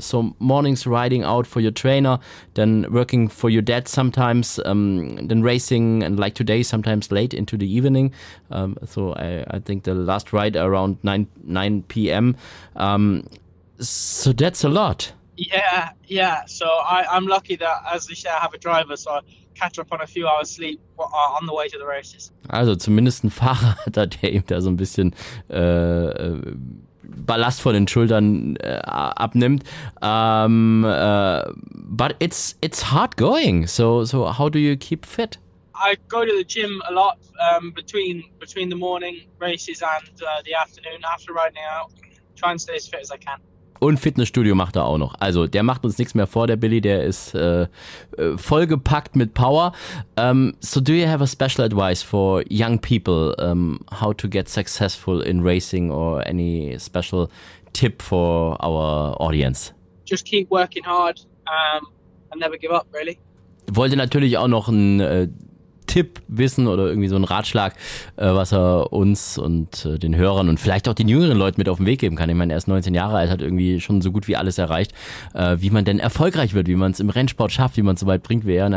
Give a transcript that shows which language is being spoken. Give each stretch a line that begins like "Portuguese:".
English: So mornings riding out for your trainer, then working for your dad sometimes, then racing, and like today sometimes late into the evening. So I think the last ride around 9 p.m. So that's a lot. Yeah. So I'm lucky that, as you said, I have a driver, so I catch up on a few hours sleep on the way to the races.
German: Also zumindest ein Fahrer hat er, der ihm da so ein bisschen Ballast von den Schultern abnimmt.
English: But it's hard going. So how do you keep fit? I go to the gym a lot between the morning races and the afternoon after riding out. Try and stay as fit as I can.
German: Und Fitnessstudio macht er auch noch. Also der macht uns nichts mehr vor, der Billy, der ist vollgepackt mit Power.
English: So do you have a special advice for young people, how to get successful in racing, or any special tip for our audience? Just keep working hard and never give up, really.
German: Wollte natürlich auch noch einen Tipp wissen oder irgendwie so einen Ratschlag, was er uns und den Hörern und vielleicht auch den jüngeren Leuten mit auf den Weg geben kann. Ich meine, er ist 19 Jahre alt, hat irgendwie schon so gut wie alles erreicht, wie man denn erfolgreich wird, wie man es im Rennsport schafft, wie man es so weit bringt wie er.